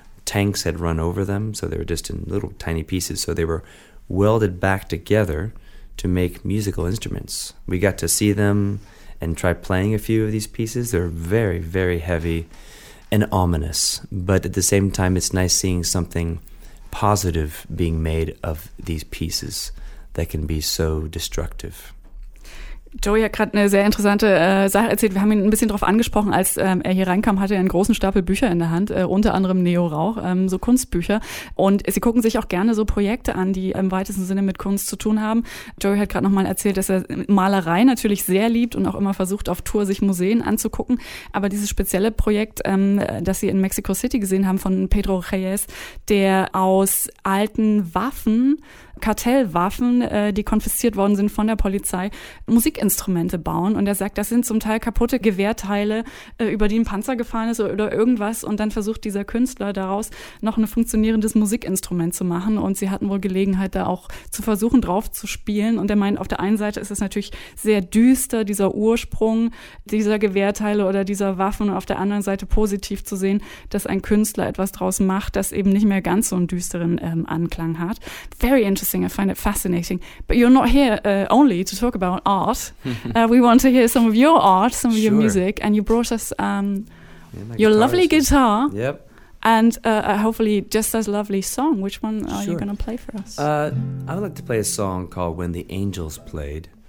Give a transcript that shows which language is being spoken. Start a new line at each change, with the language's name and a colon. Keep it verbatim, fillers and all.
English: Tanks had run over them, so they were just in little tiny pieces. So they were welded back together to make musical instruments. We got to see them and try playing a few of these pieces. They're very, very heavy and ominous. But at the same time, it's nice seeing something positive being made of these pieces that can be so destructive.
German: Joey hat gerade eine sehr interessante äh, Sache erzählt. Wir haben ihn ein bisschen drauf angesprochen, als ähm, er hier reinkam, hatte er einen großen Stapel Bücher in der Hand, äh, unter anderem Neo Rauch, ähm, so Kunstbücher. Und sie gucken sich auch gerne so Projekte an, die im weitesten Sinne mit Kunst zu tun haben. Joey hat gerade nochmal erzählt, dass er Malerei natürlich sehr liebt und auch immer versucht, auf Tour sich Museen anzugucken. Aber dieses spezielle Projekt, ähm, das sie in Mexico City gesehen haben von Pedro Reyes, der aus alten Waffen, Kartellwaffen, äh, die konfisziert worden sind von der Polizei, Musikinstrumente bauen. Und er sagt, das sind zum Teil kaputte Gewehrteile, äh, über die ein Panzer gefahren ist oder irgendwas. Und dann versucht dieser Künstler daraus noch ein funktionierendes Musikinstrument zu machen. Und sie hatten wohl Gelegenheit, da auch zu versuchen, drauf zu spielen. Und er meint, auf der einen Seite ist es natürlich sehr düster, dieser Ursprung dieser Gewehrteile oder dieser Waffen. Und auf der anderen Seite positiv zu sehen, dass ein Künstler etwas draus macht, das eben nicht mehr ganz so einen düsteren ähm, Anklang hat.
English: Very interesting. I find it fascinating. But you're not here uh, only to talk about art. uh, we want to hear some of your art, some of sure. your music, and you brought us um, yeah, your lovely guitar. Yep. And uh, uh, hopefully just as lovely song. Which one are sure. you going to play for us? Uh, I would like to play a song called When the Angels Played.